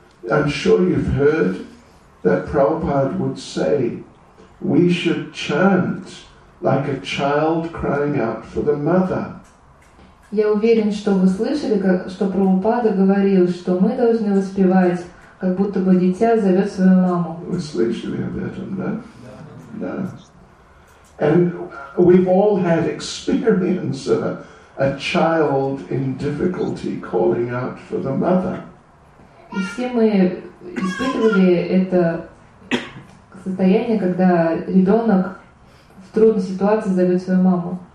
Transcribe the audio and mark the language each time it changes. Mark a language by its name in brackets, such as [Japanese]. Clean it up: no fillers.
[English] I'm sure you've heard that Prabhupada would say, "We should chant like a child crying out for the mother." [Russian] Я уверен, что вы слышали, что Прабхупада говорил, что мы должны воспевать, как будто бы дитя зовет свою маму. Вы слышали об этом, да? Да. [English] And we've all had experience of a child in difficulty calling out for the mother. [Russian] И все мы испытывали это состояние, когда ребенок в трудной ситуации зовет свою маму.